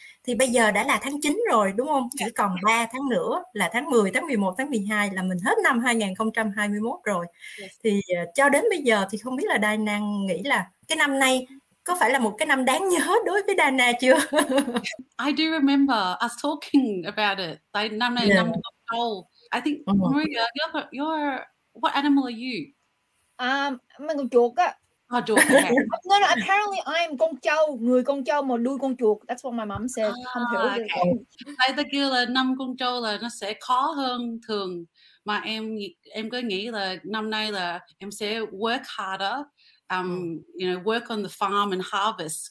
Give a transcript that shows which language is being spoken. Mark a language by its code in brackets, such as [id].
[vi] Thì bây giờ đã là tháng 9 rồi đúng không? Chỉ còn 3 tháng nữa là tháng 10, tháng 11, tháng 12 là mình hết năm 2021 rồi. Thì cho đến bây giờ thì không biết là Diana nghĩ là cái năm nay có phải là một cái năm đáng nhớ đối với Diana chưa? [en] I do remember us talking about it. Like, [vi] năm nay năm [en] of soul. I think Maria, you're what animal are you? [vi] Mình con chuột á. Chuột. [en] No, apparently I am [vi] con trâu, người con trâu mà đuôi con chuột. [en] That's what my mom said. [vi] Không hiểu được. Tại ta kêu là năm con trâu là nó sẽ khó hơn thường. Mà em cứ nghĩ là năm nay là em sẽ [en] work harder, work on the farm and harvest.